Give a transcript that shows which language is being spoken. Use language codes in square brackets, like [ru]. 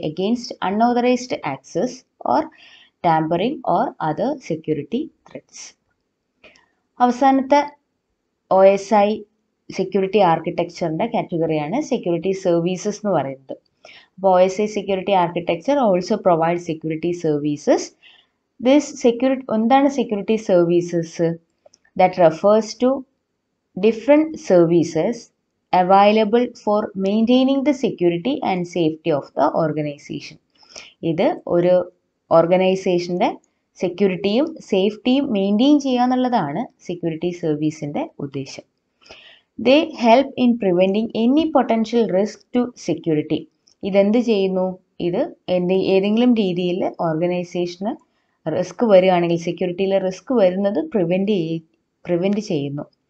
[en] Against unauthorized access or tampering or other security threads. [ml] അവസാനത്തെ OSI security ആർക്കിടെക്ചറിൻ്റെ കാറ്റഗറിയാണ് security services എന്ന് പറയുന്നത്. [en] അപ്പോൾ OSI security architecture also provide security services. This security services that refers to different services available for maintaining the security and safety of the organization. [ml] ഇത് ഒരു ഓർഗനൈസേഷൻ്റെ സെക്യൂരിറ്റിയും സേഫ്റ്റിയും maintain ചെയ്യുക എന്നുള്ളതാണ് security സർവീസിൻ്റെ ഉദ്ദേശം. [en] They help in preventing any potential risk to security. [ml] ഇതെന്ത് ചെയ്യുന്നു? ഇത് ഏതെങ്കിലും രീതിയിൽ ഓർഗനൈസേഷന് റിസ്ക് വരികയാണെങ്കിൽ, സെക്യൂരിറ്റിയിലെ റിസ്ക് വരുന്നത് പ്രിവെൻറ്റ് ചെയ്യുന്നു.